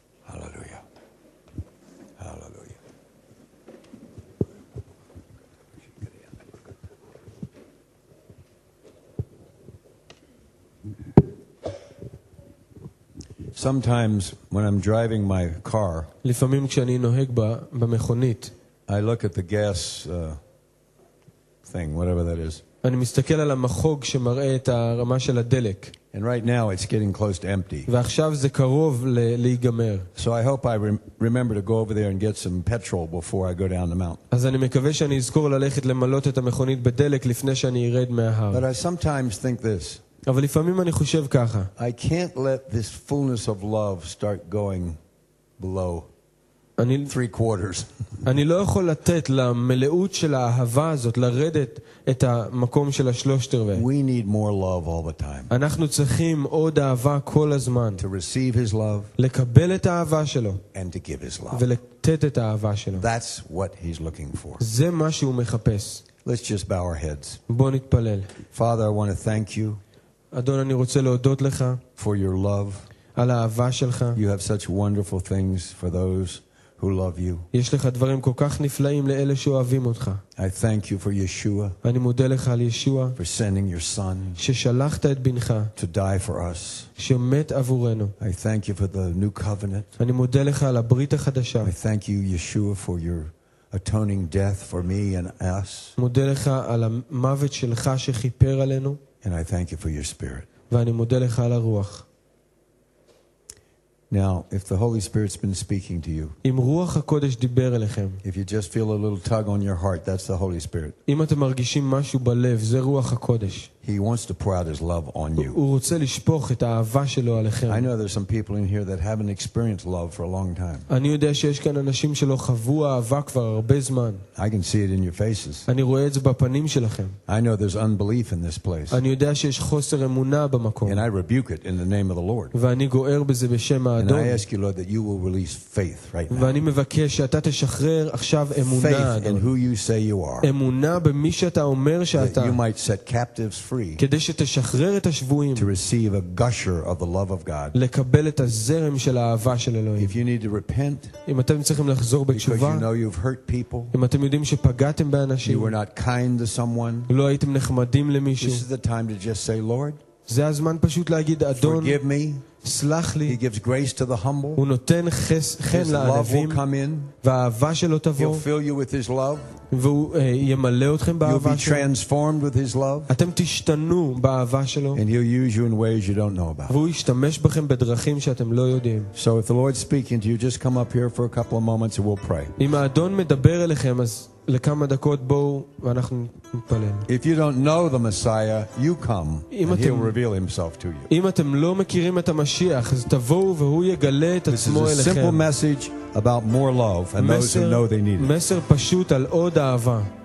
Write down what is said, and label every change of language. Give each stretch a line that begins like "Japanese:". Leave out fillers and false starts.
English: Hallelujah. Hallelujah. Sometimes when I'm driving my car,
Hebrew: לפעמים כשאני נוהג במכונית,
English: I look at the gas thing, whatever that is.
Hebrew: אני מסתכל על המחוג שמראה את הרמה של הדלק.
English: And right now it's getting close to empty.
Hebrew: ועכשיו זה קרוב להיגמר.
English: So I hope I remember to go over there and get some petrol before I go down the mountain.
Hebrew: אז אני מקווה שאני אזכור ללכת למלות את המכונית בדלק לפני שאני ארד מההר.
English: But I sometimes think this.
Hebrew: אבל לפעמים אני חושב ככה.
English: I can't let this fullness of love start going below 3/4.
Hebrew: אני לא יכול לתת למלאות של האהבה הזאת לרדת את המקום של השלושת רבע.
English: We need more love all the time.
Hebrew: אנחנו צריכים עוד אהבה כל הזמן.
English: To receive his love.
Hebrew: לקבל את האהבה שלו.
English: And to give his love.
Hebrew: ולתת את האהבה שלו.
English: That's what he's looking for.
Hebrew: זה מה שהוא מחפש.
English: Let's just bow our heads.
Hebrew: בוא נתפלל.
English: Father, I want to thank you.
Hebrew: אדון, אני רוצה להודות לך
English: for your love.
Hebrew: על האהבה שלך.
English: You have such wonderful things for those who love you.
Hebrew: יש לך דברים כל כך נפלאים לאלה שאוהבים אותך.
English: I thank you for Yeshua.
Hebrew: אני מודה לך על ישוע.
English: For sending your son.
Hebrew: ששלחת את בנך.
English: To die for us.
Hebrew: שמת עבורנו.
English: I thank you for the new covenant.
Hebrew: אני מודה לך על הברית החדשה.
English: I thank you, Yeshua, for your atoning death for me and us.
Hebrew: מודה לך על המוות שלך שכיפר עלינו.
English: And I thank you for your spirit.
Hebrew: ואני מודה לך על הרוח.
English: Now, if the Holy Spirit's been speaking to you,
Hebrew: אם רוח הקודש דיבר אליכם,
English: if you just feel a little tug on your heart, that's the Holy Spirit.
Hebrew: אם אתם מרגישים משהו בלב, זה רוח הקודש.
English: He wants to pour out his love on you.
Hebrew: הוא רוצה לשפוך את האהבה שלו עליכם.
English: I know there's some people in here that haven't experienced love for a long time.
Hebrew: אני יודע שיש כאן אנשים שלא חוו אהבה כבר הרבה זמן.
English: I can see it in your faces.
Hebrew: אני רואה את זה בפנים שלכם.
English: I know there's unbelief in this place.
Hebrew: אני יודע שיש חוסר אמונה במקום.
English: And I rebuke it in the name of the Lord.
Hebrew: ואני גואר בזה בשם האדון.
English: And I ask you, Lord, that you will release faith right now.
Hebrew: ואני מבקש שאתה תשחרר עכשיו אמונה.
English: Faith in who you say you are.
Hebrew: אמונה במי שאתה אומר שאתה.
English: You might set captives free. free.
Hebrew: כדי שתשחרר את השבויים.
English: To receive a gusher of the love of God.
Hebrew: לקבל את הזרם של האהבה של אלוהים.
English: If you need to repent.
Hebrew: אם אתם צריכים לחזור בתשובה.
English: Because you know you've hurt people.
Hebrew: אם אתם יודעים שפגעתם באנשים.
English: You were not kind to someone.
Hebrew: לא הייתם נחמדים למישהו.
English: This is the time to just say, Lord.
Hebrew: זה הזמן פשוט להגיד, אדון.
English: Forgive me.
Hebrew: סלח לי.
English: He gives grace to the humble.
Hebrew: הוא נותן חן לענבים. והאהבה שלו תבוא.
English: He'll fill you with his love.
Hebrew: והוא ימלא אתכם באהבה שלו.
English: You'll be transformed with his love.
Hebrew: אתם תשתנו באהבה שלו.
English: And he'll use you in ways you don't know about.
Hebrew: והוא ישתמש בכם בדרכים שאתם לא יודעים.
English: So if the Lord's speaking to you, just come up here for a couple of moments and we'll pray.
Hebrew: אם האדון מדבר אליכם, אז לכמה דקות בואו ואנחנו נתפלל.
English: If you don't know the Messiah, you come. And he'll reveal himself to you.
Hebrew: אם אתם לא מכירים את המשיח, אז תבואו והוא יגלה את עצמו אליכם.
English: This is a simple message about more love and those who know they need it.
Hebrew: מסר פשוט על עוד אהבה.